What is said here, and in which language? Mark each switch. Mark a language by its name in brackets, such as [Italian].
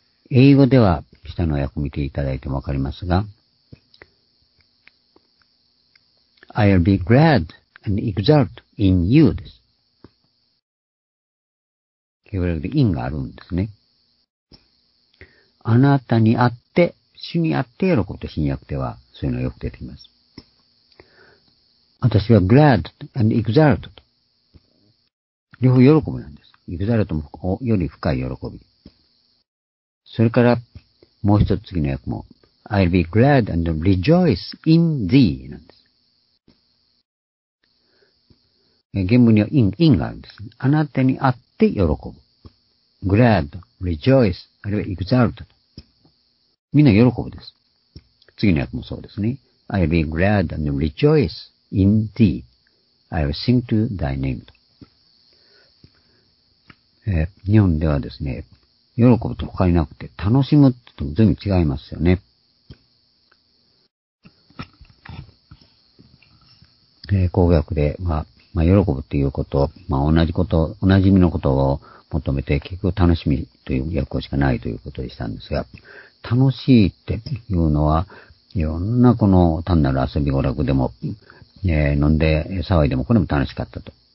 [Japanese] 英語では、下の訳を見ていただいてもわかりますが、 [English] I'll be glad and exult. in you [Japanese] です。ヘブライ語で in があるんですね。あなたに会って、主に会って喜ぶと、新約では、そういうのがよく出てきます。私は [English] glad and exalted。 [Japanese] 両方喜ぶなんです。 exalted もより深い喜び。それから、もう一つ次の訳も、 [English] I'll be glad and rejoice in thee [Japanese] なんです。原文には in があるんです。あなたに会って喜ぶ。 [English] glad, rejoice, あるいは exalt. [Japanese] みんな喜ぶです。次の訳もそうですね。 [English] I'll be glad and rejoice in thee. I'll sing to thy name. [Japanese] 日本ではですね、喜ぶと他になくて、楽しむと全然違いますよね。口語訳で、喜ぶということ、同じこと、おなじみのことを求めて、結局楽しみという訳しかないということでしたんですが、楽しいっていうのは、いろんなこの単なる遊び娯楽でも、飲んで騒いでもこれも楽しかったと。